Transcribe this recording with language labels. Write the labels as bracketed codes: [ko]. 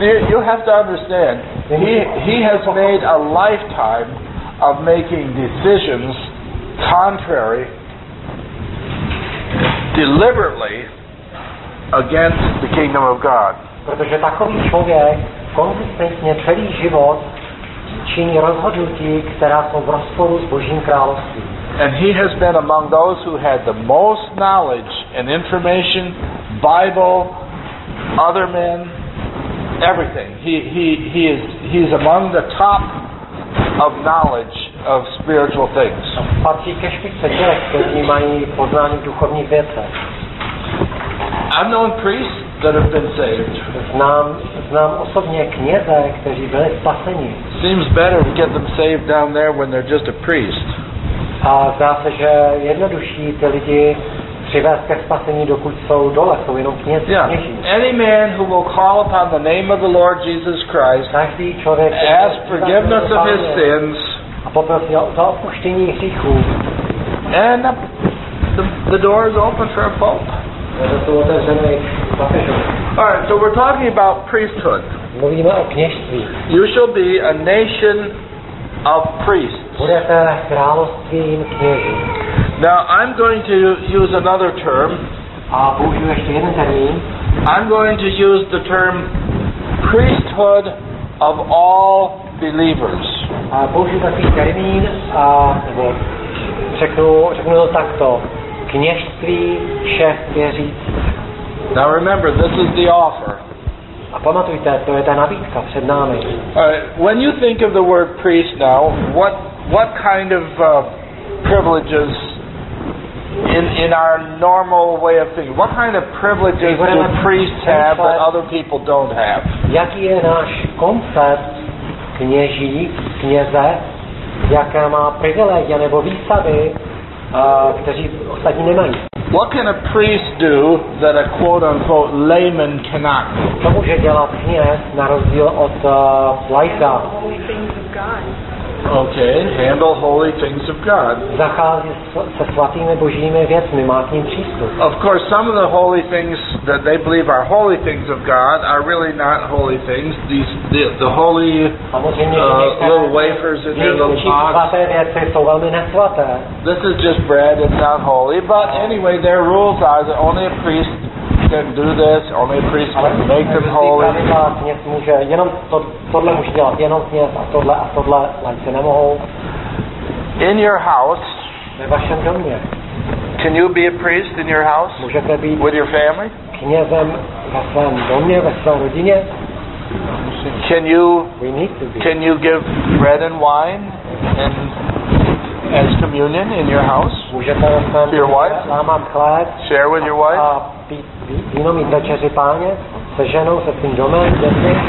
[en] You have to understand, he has made a lifetime of making decisions contrary, deliberately against the kingdom of God. [cs] Protože takový člověk konzistentně celý život činí rozhodnutí, která jsou v rozporu s Božím královstvím. [en] And he has been among those who had the most knowledge and information, Bible, other men, everything. He is among the top of knowledge of spiritual things. [cs] Patří ke špičce těch, kteří mají poznání duchovní věci. [en] I've known priests that have been saved. [cs] Znám osobně kněze, kteří byli spaseni. [en] Seems better to get them saved down there when they're just a priest. [cs] A zdá se, že jednodušší ty lidi přivést ke spasení, dokud jsou dole, jsou jenom kněží. [en] Yeah. Any man who will call upon the name of the Lord Jesus Christ, [cs] každý člověk, [en] ask forgiveness of his sins, [cs] a poprosí o to odpuštění hříchů, [en] and the door is open for a pope. All right, so we're talking about priesthood. [cs] Mluvíme o kněžství. [en] You shall be a nation of priests. [cs] Budete královstvím kněží. [en] Now I'm going to use another term. [cs] A použiju ještě jeden termín. [en] I'm going to use the term priesthood of all believers. [cs] A použiju takový termín a řeknu to takto. Kněžství všech věřících. [en] Now remember, this is the offer. [cs] A pamatujte, to je ta nabídka před námi. [en] All right, when you think of the word priest now, what kind of privileges in our normal way of thinking? What kind of privileges do priests have that other people don't have? [cs] Jaký je náš koncept kněží, kněze? Jaké má privilegie nebo výsady? Kteří ostatní nemají. [en] What can a priest do that a quote-unquote layman cannot? [cs] Co může dělat kněz na rozdíl od laika? [en] Okay, handle holy things of God. [cs] Zachází se svatými božími věcmi, má k ním přístup. [en] Of course, some of the holy things that they believe are holy things of God are really not holy things. The holy little wafers in there, the box. This is just bread, it's not holy. But anyway, their rules are that only a priest can do this, only a priest can make them holy. [cs] Kněz může jenom tohle může dělat, jenom kněz a tohle lajci nemohou. [en] In your house, [cs] ve vašem domě, [en] can you be a priest in your house? [cs] Můžete být [en] with your family? [cs] Knězem ve svém domě, ve své rodině? [en] Can you give bread and wine and as communion in your house? [cs] Můžete ve svém domě, [en] wife? [cs] Mám chléb, [en] share with your wife? [cs] Víno mít večeři páně se ženou, se svým domem, dětmi.